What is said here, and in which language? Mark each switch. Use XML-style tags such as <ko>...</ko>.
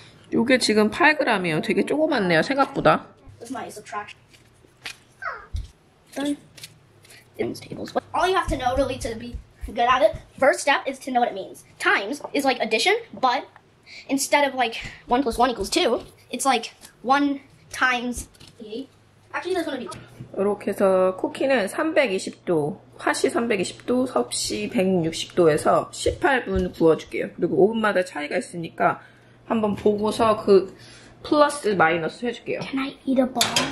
<ko>이게 지금 8g이에요. 되게 조그맣네요, 생각보다. 짠.</ko> <en>All you have to know really to be good at it, first step is to know what it means. Times is like addition, but instead of like 1 plus 1 equals 2, it's like 1 times 8.</en> <ko>이렇게 해서 쿠키는 320도, 화씨 320도, 섭씨 160도에서 18분 구워줄게요. 그리고 오븐마다 차이가 있으니까 한번 보고서 그 플러스 마이너스 해줄게요.</ko> <en>Can I eat a ball?</en>